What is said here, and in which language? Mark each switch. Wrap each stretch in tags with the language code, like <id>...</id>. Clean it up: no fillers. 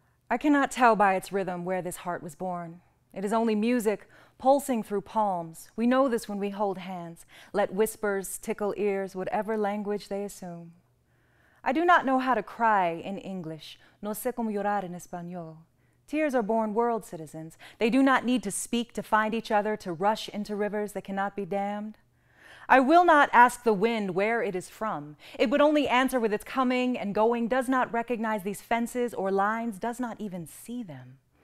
<en>I cannot tell by its rhythm where this heart was born. It is only music pulsing through palms. We know this when we hold hands, let whispers tickle ears, whatever language they assume. I do not know how to cry in English,</en> <es>no sé cómo llorar en español.</es> <en>Tears are born world citizens. They do not need to speak to find each other, to rush into rivers that cannot be dammed. I will not ask the wind where it is from. It would only answer with its coming and going, does not recognize these fences or lines, does not even see them.</en>